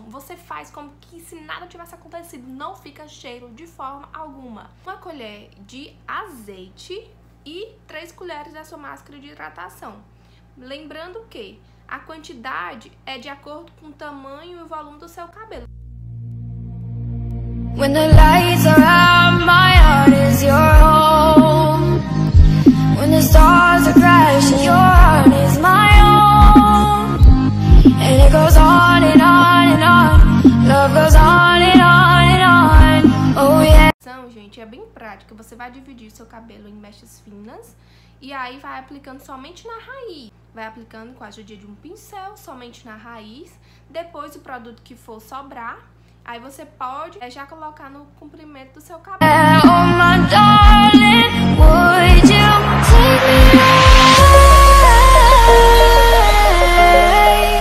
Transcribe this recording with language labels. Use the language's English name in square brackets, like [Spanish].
[Portuguese] Você faz como que se nada tivesse acontecido, não fica cheiro de forma alguma. 1 colher de azeite e 3 colheres da sua máscara de hidratação. Lembrando que a quantidade é de acordo com o tamanho e o volume do seu cabelo. [English] When the lights are out, my heart is your home. When the stars are crashing, your heart is my own. And it goes on and on and on. Love goes on and on and on. Oh yeah. [Portuguese] Então, gente, é bem prático. Você vai dividir seu cabelo em mechas finas e aí vai aplicando somente na raiz. Vai aplicando com a ajuda de um pincel, somente na raiz. Depois, o produto que for sobrar, aí você pode já colocar no comprimento do seu cabelo. [English] Oh, my darling, would you take me away?